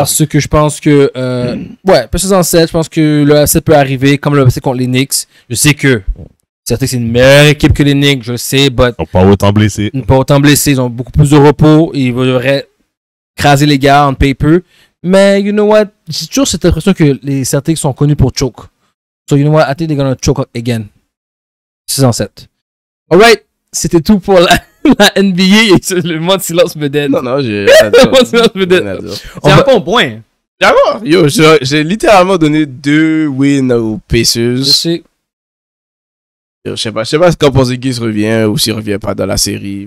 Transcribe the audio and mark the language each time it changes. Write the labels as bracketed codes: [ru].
[fr] Parce que je pense que, PC en 7, je pense que le 7 peut arriver, comme le passé contre les Knicks. Je sais que, certes, c'est une meilleure équipe que les Knicks, je sais, mais. Ils n'ont pas autant blessé. Ils n'ont pas autant blessé, ils ont beaucoup plus de repos, ils voudraient craser les gars en paper. Mais, [en] you know what, [fr] j'ai toujours cette impression que les Celtics sont connus pour choke. [en] So, you know what, I think they're gonna choke again. [fr] Saison 7. [en] Alright, [fr] c'était tout pour la NBA et le mois de silence vedette. Non, j'ai. Le mois de silence vedette. C'est un bon point. D'accord. Yo, j'ai littéralement donné 2 wins aux Pacers. Je sais. Je sais pas si quand Porzingis revient ou s'il revient pas dans la série.